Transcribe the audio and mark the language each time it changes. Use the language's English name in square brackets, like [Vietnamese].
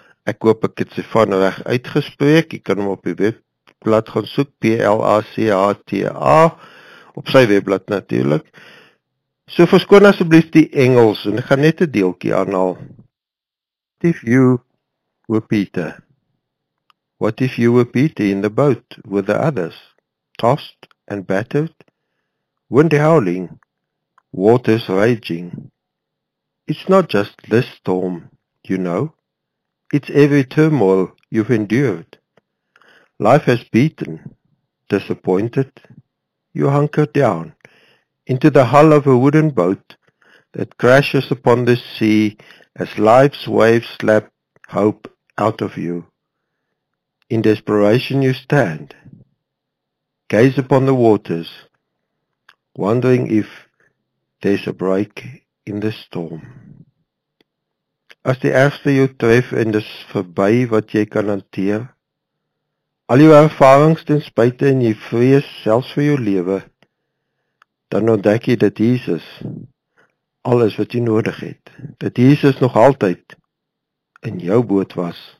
[Afrikaans] Ek hoop ek het sy van reg uitgespreek. Jy kan hom op die webblad gaan soek, P-L-A-C-H-T-A, op sy webblad natuurlik. So verskoon asseblief die Engels en ek gaan net 'n deeltjie aanhaal. [English] What if you were Peter? What if you were Peter in the boat with the others, tossed and battered, wind howling, waters raging? It's not just this storm, you know. It's every turmoil you've endured. Life has beaten, disappointed. You hunker down into the hull of a wooden boat that crashes upon the sea as life's waves slap hope out of you. In desperation you stand, gaze upon the waters, wondering if there's a break in the storm. [Afrikaans] As die ergste jou tref en dis verby wat jy kan hanteer, al jou ervarings ten spyte en jy vrees selfs vir jou lewe, dan ontdek jy dat Jesus alles wat jy nodig het, dat Jesus nog altyd in jou boot was.